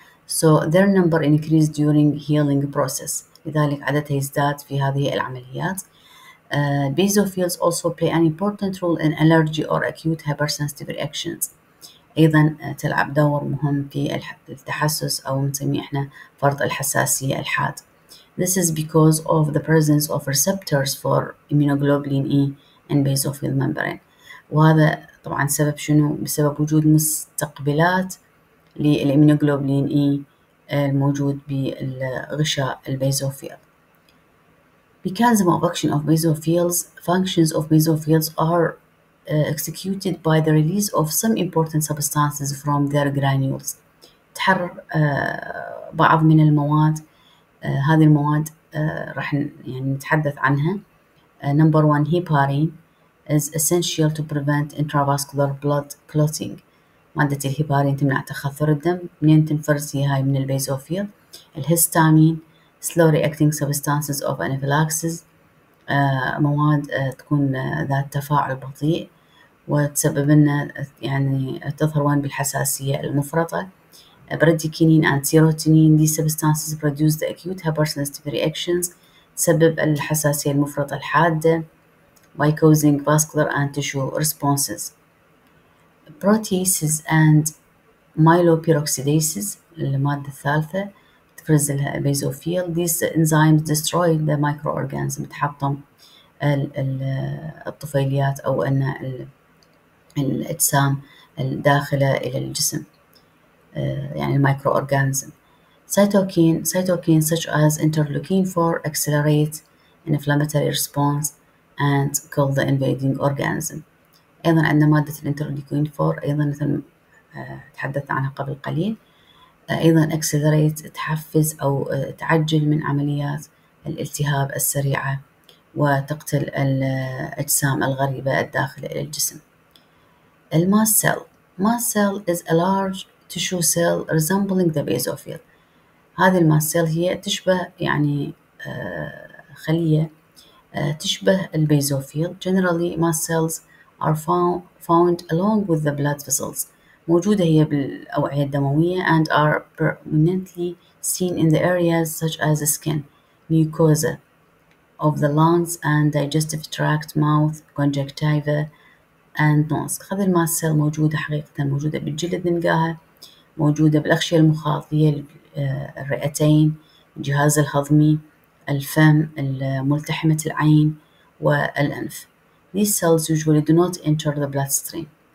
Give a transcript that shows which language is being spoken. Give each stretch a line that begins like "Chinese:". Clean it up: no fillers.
English: So their number increased during healing process.
Arabic: لذلك عددها يزداد في هذه العمليات.
English: Basophils also play an important role in allergy or acute hypersensitive reactions.
Arabic: أيضا تلعب دور مهم في التحسس أو نسميه إحنا فرط الحساسية الحاد.
English: This is because of the presence of receptors for immunoglobulin E in basophil membrane.
Arabic: وهذا طبعا سبب شنو؟ بسبب وجود مستقبلات للإيمونوغلوبولين E الموجود بالغشاء البيزوفيل.
English: Mechanism of action of basophils. Functions of basophils are executed by the release of some important substances from their granules.
Arabic: تحرر بعض من المواد. هذه المواد راح يعني نتحدث عنها.
English: Number one, heparin is essential to prevent intravascular blood clotting.
Arabic: مادة الهيبارين تمنع تخثر الدم. منين تنفرز هي من البيزوفيل. الهستامين,
English: slow reacting substances of anaphylaxis,
Arabic: مواد تكون ذات تفاعل بطيء وتسبب لنا يعني تظهر وين بالحساسية المفرطة.
English: Bradykinin and serotonin, these substances produce the acute hypersensitive reactions,
Arabic: تسبب الحساسية المفرطة الحادة
English: by causing vascular and tissue responses. Proteases and myeloperoxidases,
Arabic: المادة الثالثة تفرز لها basophil,
English: these enzymes destroy the microorganism,
Arabic: تحطم الطفيليات أو أن الأجسام الداخلة إلى الجسم. يعني المايكرو أورغانزم.
English: Cytokine such as interleukin 4 accelerate inflammatory response and kill the invading organism.
Arabic: أيضا عندنا مادة الانترلوكين 4 أيضا مثل تحدثت عنها قبل قليل أيضا accelerate تحفز أو تعجل من عمليات الالتهاب السريعة وتقتل الأجسام الغريبة الداخلة إلى الجسم.
English: الماس cell. Mast cell is a large tissue cell resembling the basophil.
Arabic: هذه الماس سيل هي تشبه يعني خلية تشبه البيزوفيل.
English: Generally mast cells are found along with the blood vessels.
Arabic: موجودة هي بالأوعية الدموية
English: and are permanently seen in the areas such as the skin, mucosa of the lungs and digestive tract, mouth, conjunctiva and nose.
Arabic: هذه الماس سيل موجودة حقيقة, موجودة بالجلد نلقاها, موجودة بالأغشية المخاطية, الرئتين, الجهاز الهضمي, الفم, ملتحمة العين والأنف.
English: These cells usually do not enter the bloodstream.